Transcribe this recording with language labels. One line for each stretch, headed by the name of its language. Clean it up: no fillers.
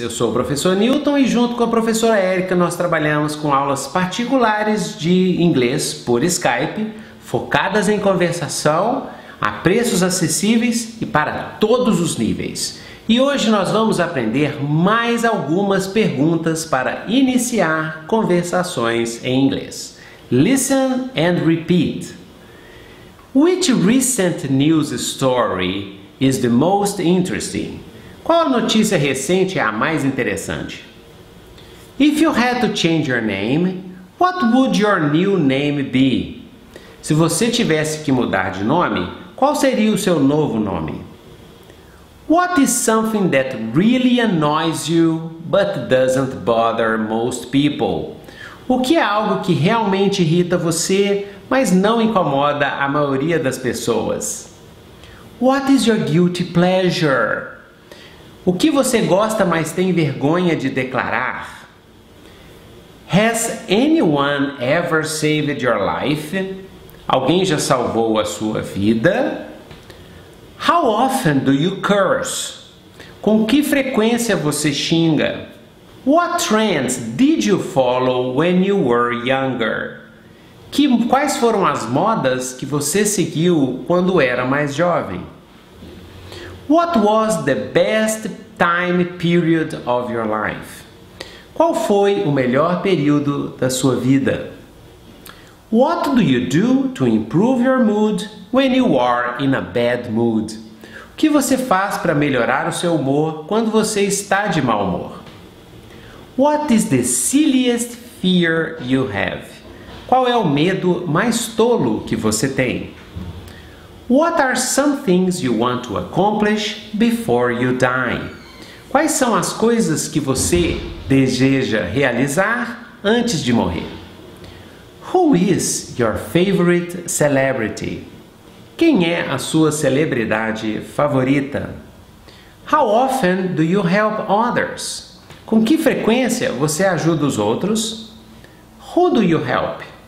Portuguese: Eu sou o professor Newton e junto com a professora Erica nós trabalhamos com aulas particulares de inglês por Skype, focadas em conversação, a preços acessíveis e para todos os níveis. E hoje nós vamos aprender mais algumas perguntas para iniciar conversações em inglês.
English: Listen and repeat. Which recent news story is the most interesting?
Portuguese: Qual notícia recente é a mais interessante?
English: If you had to change your name, what would your new name be?
Portuguese: Se você tivesse que mudar de nome, qual seria o seu novo nome?
English: What is something that really annoys you but doesn't bother most people?
Portuguese: O que é algo que realmente irrita você, mas não incomoda a maioria das pessoas?
English: What is your guilty pleasure?
Portuguese: O que você gosta, mas tem vergonha de declarar?
English: Has anyone ever saved your life?
Portuguese: Alguém já salvou a sua vida?
English: How often do you curse?
Portuguese: Com que frequência você xinga?
English: What trends did you follow when you were younger?
Portuguese: Quais foram as modas que você seguiu quando era mais jovem?
English: What was the best time period of your life?
Portuguese: Qual foi o melhor período da sua vida?
English: What do you do to improve your mood when you are in a bad mood?
Portuguese: O que você faz para melhorar o seu humor quando você está de mau humor?
English: What is the silliest fear you have?
Portuguese: Qual é o medo mais tolo que você tem?
English: What are some things you want to accomplish before you die?
Portuguese: Quais são as coisas que você deseja realizar antes de morrer?
English: Who is your favorite celebrity?
Portuguese: Quem é a sua celebridade favorita?
English: How often do you help others?
Portuguese: Com que frequência você ajuda os outros?
English: Who do you help?